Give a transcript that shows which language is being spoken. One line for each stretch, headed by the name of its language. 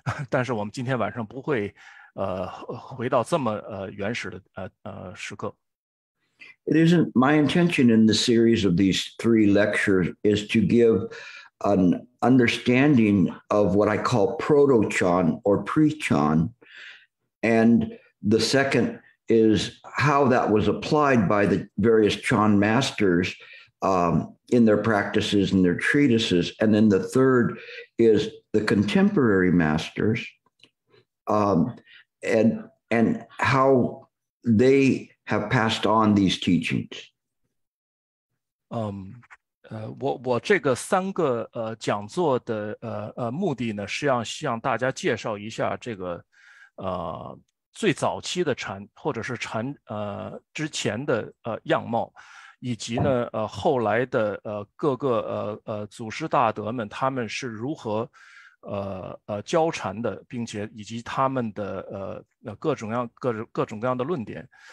Chinese: 但是我们今天晚上不会回到这么原始的时刻。
English: It isn't my intention in the series of these three lectures is to give an understanding of what I call proto-chan or pre-chan, and the second is how that was applied by the various chan masters in their practices and their treatises, and then the third is the contemporary masters and how they have passed on these teachings.
Chinese: 我这个三个讲座的目的呢，是要向大家介绍一下这个最早期的禅，或者是禅之前的样貌，以及呢后来的各个祖师大德们他们是如何教禅的，并且以及他们的各种各样的论点。